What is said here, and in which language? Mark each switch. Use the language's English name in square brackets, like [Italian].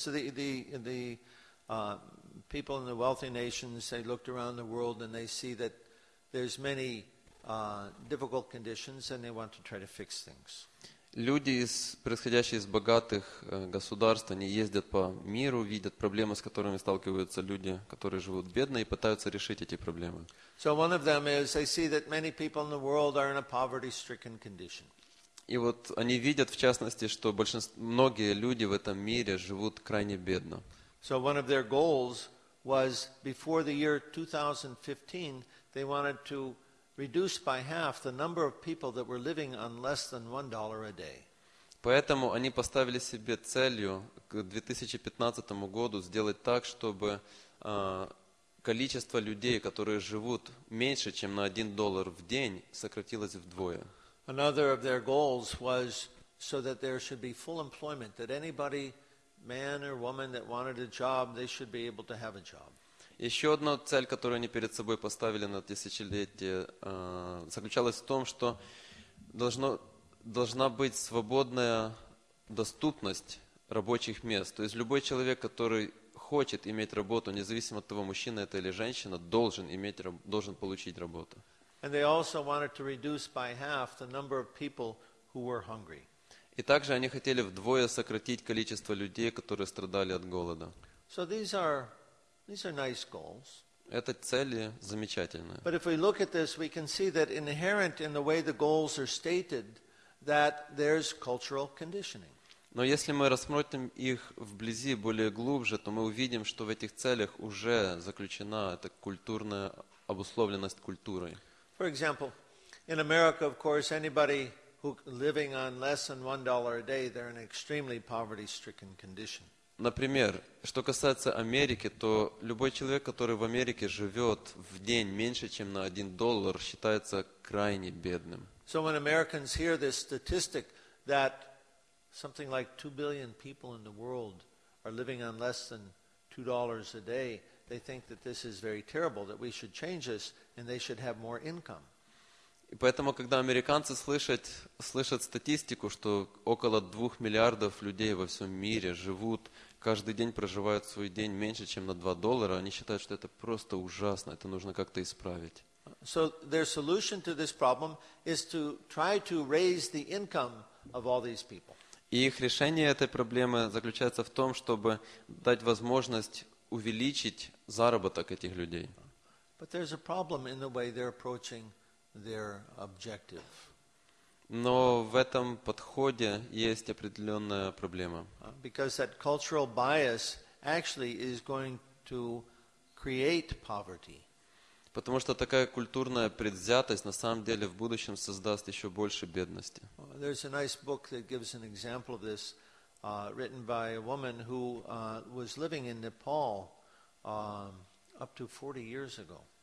[English] So the people in the wealthy nations, they looked around the world and they see that there's many difficult conditions, and they want to try to fix things. [Russian] Люди, происходящие из богатых государств, они ездят по миру, видят проблемы, с которыми сталкиваются люди, которые живут бедно, и пытаются решить эти проблемы. [English] So one of them is they see that many people in the world are in a poverty-stricken condition. [Russian] И вот они видят, в частности, что многие люди в этом мире живут крайне бедно. [English] So one of their goals was before the year 2015. They wanted to reduce by half the number of people that were living on less than $1 a day. [Russian] Поэтому они поставили себе целью к 2015 году сделать так, чтобы количество людей, которые живут меньше, чем на $1 в день, сократилось вдвое. [English] Another of their goals was so that there should be full employment, that anybody, man or woman, that wanted a job, they should be able to have a job. [Russian] Еще одна цель, которую они перед собой поставили на тысячелетие, заключалась в том, что должна быть свободная доступность рабочих мест. То есть любой человек, который хочет иметь работу, независимо от того, мужчина это или женщина, должен получить работу. [English] And they also wanted to reduce by half the number of people who were hungry. [Russian] И также они хотели вдвое сократить количество людей, которые страдали от голода. [English] So these are nice goals. [Russian] Эти цели замечательные. [English] But if we look at this, we can see that inherent in the way the goals are stated, that there's cultural conditioning. [Russian] Но если мы рассмотрим их вблизи более глубже, то мы увидим, что в этих целях уже заключена эта культурная обусловленность культурой. [English] For example, in America, of course, anybody who living on less than $1 a day, they're in an extremely poverty-stricken condition. [Russian] Например, что касается Америки, то любой человек, который в Америке живет в день меньше, чем на $1, считается крайне бедным. [English] So when Americans hear this statistic that something like 2 billion people in the world are living on less than $2 a day, they think that this is very terrible, that we should change this and they should have more income. [Russian] И поэтому, когда американцы слышат статистику, что около 2 миллиардов людей во всем мире живут, каждый день проживают свой день меньше, чем на $2, они считают, что это просто ужасно, это нужно как-то исправить. [English] So their solution to this problem is to try to raise the income of all these people. [Russian] И их решение этой проблемы заключается в том, чтобы дать возможность увеличить заработок этих людей. [English] But there's a problem in the way they're approaching their objective. [Russian] Но в этом подходе есть определенная проблема. [English] Because that cultural bias actually is going to create poverty. [Russian] Потому что такая культурная предвзятость на самом деле в будущем создаст еще больше бедности. [English] There's a nice book that gives an example of this, written by a woman who was living in Nepal up to 40 years ago.